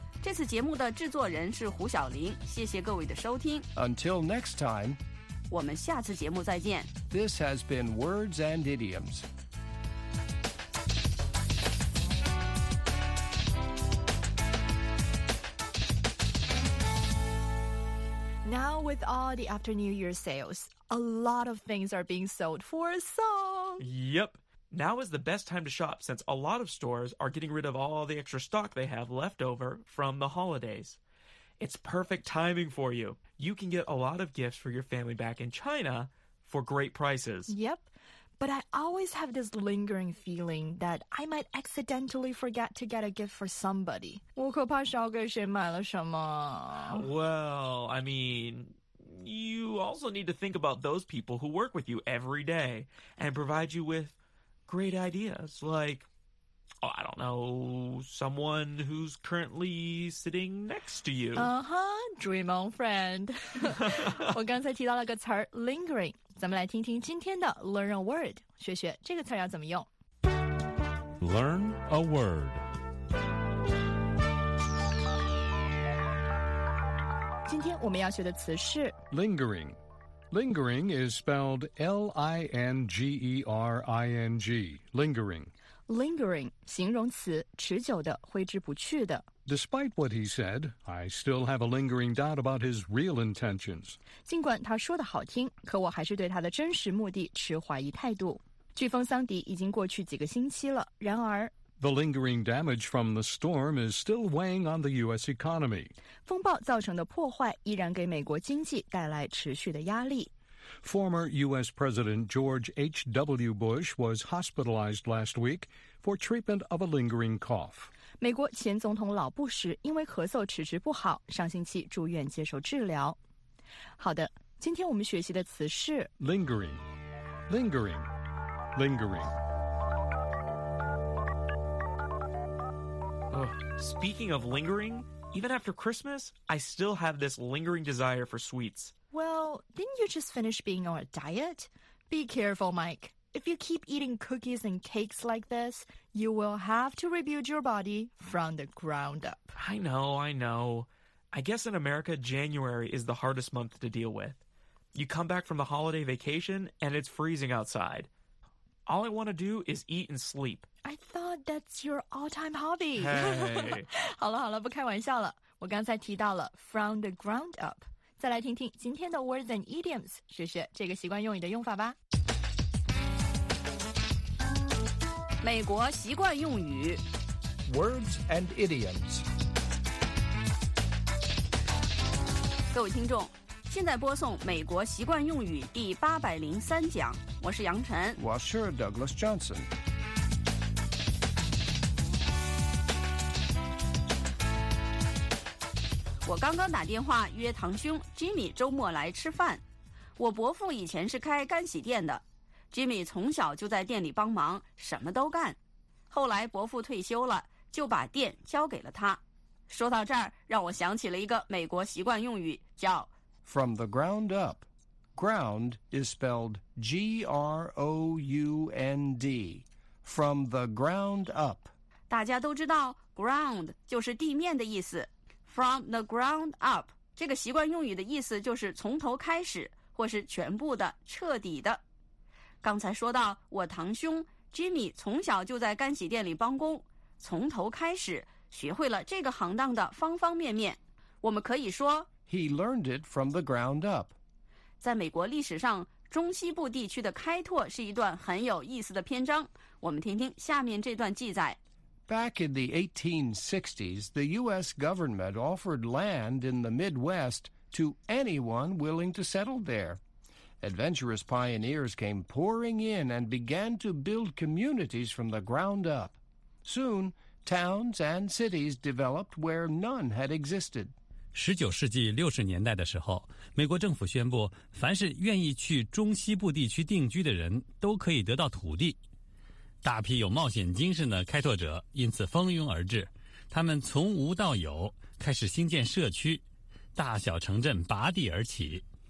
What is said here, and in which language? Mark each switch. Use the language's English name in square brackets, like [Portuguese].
[Chinese] 这次节目的制作人是胡晓玲。谢谢各位的收听。 [English] Until next time， [Chinese] 我们下次节目再见。 [English] This has been Words and Idioms。 Now with all the after New Year sales, a lot of things are being sold for a song. Yep. Now is the best time to shop since a lot of stores are getting rid of all the extra stock they have left over from the holidays. It's perfect timing for you. You can get a lot of gifts for your family back in China for great prices. Yep. But I always have this lingering feeling that I might accidentally forget to get a gift for somebody. [Chinese] 我可怕少给谁买了什么。 [English] Well, I mean, you also need to think about those people who work with you every day and provide you with great ideas. Like, oh, I don't know, someone who's currently sitting next to you. Uh-huh, dream on friend. [Chinese] 我刚才提到了个词 lingering. 咱们来听听今天的 Learn a Word， 学学这个词要怎么用。 [English] Learn a Word。 [Chinese] 今天我们要学的词是 [English] Lingering。 Lingering is spelled L-I-N-G-E-R-I-N-G. Lingering. [Chinese] Lingering, 形容词，持久的，挥之不去的。 [English] Despite what he said, I still have a lingering doubt about his real intentions. [Chinese] 尽管他说得好听，可我还是对他的真实目的持怀疑态度。飓风桑迪已经过去几个星期了，然而 [English] The lingering damage from the storm is still weighing on the U.S. economy. [Chinese] 风暴造成的破坏依然给美国经济带来持续的压力。 [English] Former U.S. President George H.W. Bush was hospitalized last week for treatment of a lingering cough. [Chinese] 美国前总统老布什因为咳嗽迟迟不好，上星期住院接受治疗。好的，今天我们学习的词是 [English] lingering, lingering, lingering. Speaking of lingering, even after Christmas, I still have this lingering desire for sweets. Well, didn't you just finish being on a diet? Be careful, Mike. If you keep eating cookies and cakes like this, you will have to rebuild your body from the ground up. I know, I know. I guess in America, January is the hardest month to deal with. You come back from the holiday vacation, and it's freezing outside. All I want to do is eat and sleep. I thought that's your all-time hobby. Hey. [Chinese] 好了好了，不开玩笑了。我刚才提到了 from the ground up. 再来听听今天的 words and idioms, 学学这个习惯用语的用法吧。美国习惯用语 [English] words and idioms. [Chinese] 各位听众，现在播送美国习惯用语第803讲。我是杨晨。我是 Douglas Johnson. 我刚刚打电话约堂兄 Jimmy 周末来吃饭。我伯父以前是开干洗店的， Jimmy 从小就在店里帮忙，什么都干。后来伯父退休了，就把店交给了他。说到这儿，让我想起了一个美国习惯用语，叫 [English] From the ground up. Ground is spelled G-R-O-U-N-D. From the ground up. [Chinese] 大家都知道 ground 就是地面的意思。 From the ground up, 这个习惯用语的意思就是从头开始，或是全部的、彻底的。刚才说到我堂兄 Jimmy 从小就在干洗店里帮工，从头开始学会了这个行当的方方面面。我们可以说 [English] He learned it from the ground up. [Chinese] 在美国历史上，中西部地区的开拓是一段很有意思的篇章。我们听听下面这段记载。 [English] Back in the 1860s, the U.S. government offered land in the Midwest to anyone willing to settle there. Adventurous pioneers came pouring in and began to build communities from the ground up. Soon, towns and cities developed where none had existed. [Chinese] 19世纪60年代的时候，美国政府宣布，凡是愿意去中西部地区定居的人都可以得到土地。大批有冒险精神的开拓者因此蜂拥而至，他们从无到有，开始兴建社区，大小城镇拔地而起。